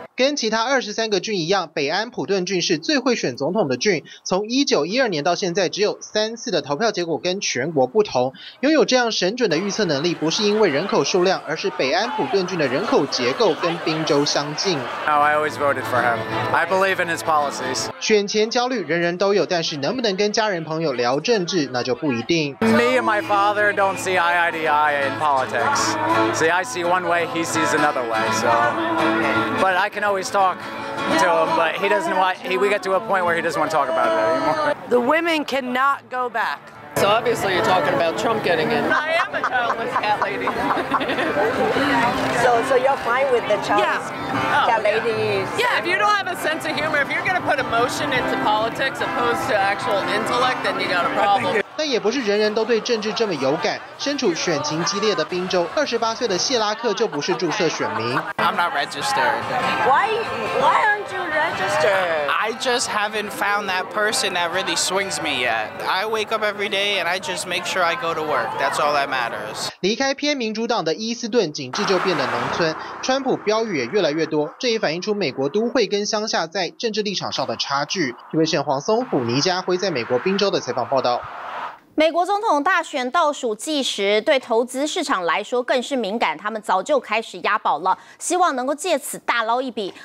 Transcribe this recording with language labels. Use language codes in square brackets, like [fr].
[zh] 跟其他23个郡一样，北安普顿郡是最会选总统的郡，从1912年到现在只有三次的投票结果跟全国不同。拥有这样神准的预测能力，不是因为人口数量，而是北安普顿郡的人口结构跟宾州相近。 [en] I always voted for him. I believe in his policies. [zh] 选前焦虑人人都有，但是能不能跟家人朋友聊政治那就不一定。 [en] Me and my father don't see eye to eye in politics. See, I see one way, he sees another way. So, but I canalways talk to him, but he doesn't want, we get to a point where he doesn't want to talk about it anymore. The women cannot go back. So obviously you're talking about Trump getting in. I am a childless cat lady. So you're fine with the childless cat lady? Yeah, if you don't have a sense of humor, if you're going to put emotion into politics opposed to actual intellect, then you got a problem. [zh] 但也不是人人都对政治这么有感。身处选情激烈的宾州，28岁的谢拉克就不是注册选民。 [en] I'm not registered. Why aren't you registered? I just haven't found that person that really swings me yet. I wake up every day and I just make sure I go to work. That's all that matters. [zh] 离开偏民主党的伊斯顿，景致就变得农村。川普标语也越来越多，这也反映出美国都会跟乡下在政治立场上的差距。 TVBS记者黄松虎、倪家辉在美国宾州的采访报道。美国总统大选倒数计时，对投资市场来说更是敏感，他们早就开始押宝了，希望能够借此大捞一笔。